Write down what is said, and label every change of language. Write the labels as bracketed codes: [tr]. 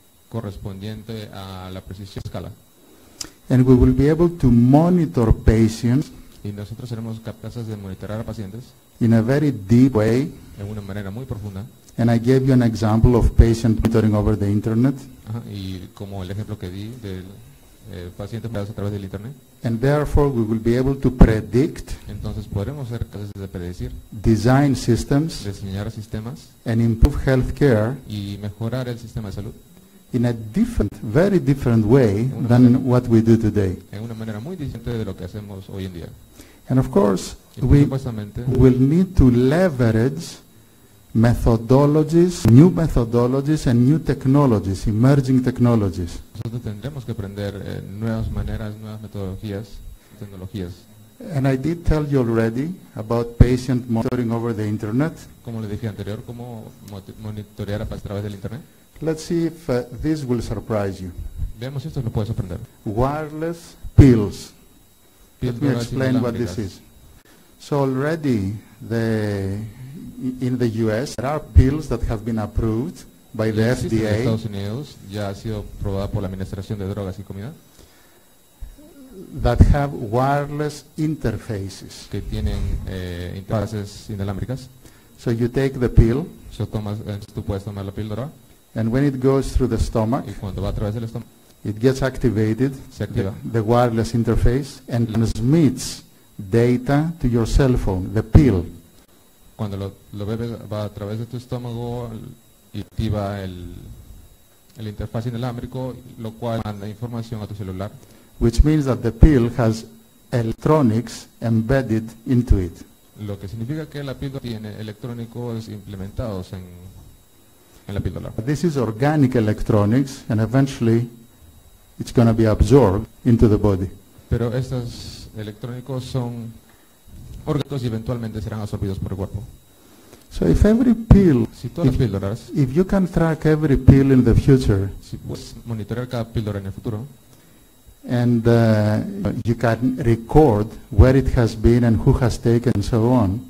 [es] Correspondiente a la precisión y escala. [en] And we will be able to monitor patients. [es] Y nosotros seremos capaces de monitorar a pacientes. [en] In a very deep way. [es] En una manera muy profunda. [en] And I gave you an example of patient monitoring over the internet. [es] Y como el ejemplo que di del paciente a través del internet. [en] And therefore we will be able to predict. [es] Entonces podremos ser capaces de predecir. [en] Design systems. [es] Diseñar sistemas. [en] And improve healthcare. [es] Y mejorar el sistema de salud. [en] In a different, very different way than what we do today. [es] En una manera muy distinta de lo que hacemos hoy en día. [en] And of course we will need to leverage new methodologies and new technologies, emerging technologies. [es] Nosotros tendremos que aprender nuevas maneras, nuevas metodologías, tecnologías. [en] And I did tell you already about patient monitoring over the internet. [es] Como le dije anterior, cómo monitorear a través del internet. [en] Let's see if this will surprise you. [es] Veamos si esto lo puede sorprender. [en] Wireless pills. Let me explain what this is. So already the in the US there are pills that have been approved by the FDA. [es] En Estados Unidos ya ha sido aprobada por la Administración de Drogas y Comida. [en] That have wireless interfaces. [es] Que tienen interfaces inalámbricas. [en] So you take the pill. [es] So tomas, tú puedes tomar la píldora. [en] And when it goes through the stomach, [es] y cuando va a través del estómago, [en] it gets activated, [es] se activa [en] the wireless interface and transmits data to your cell phone, the pill. [es] Cuando lo bebes va a través de tu estómago y activa el interfaz inalámbrico, lo cual manda información a tu celular. [en] Which means that the pill has electronics embedded into it. [es] Lo que significa que la píldora tiene electrónicos implementados en la píldora. [en] This is organic electronics and eventually it's going to be absorbed into the body. [es] Pero estos electrónicos son orgánicos y eventualmente serán absorbidos por el cuerpo. [en] So if every pill, [es] si todas las píldoras, [en] if you can track every pill in the future, [es] si puedes monitorear cada píldora en el futuro, [en] and you can record where it has been and who has taken and so on,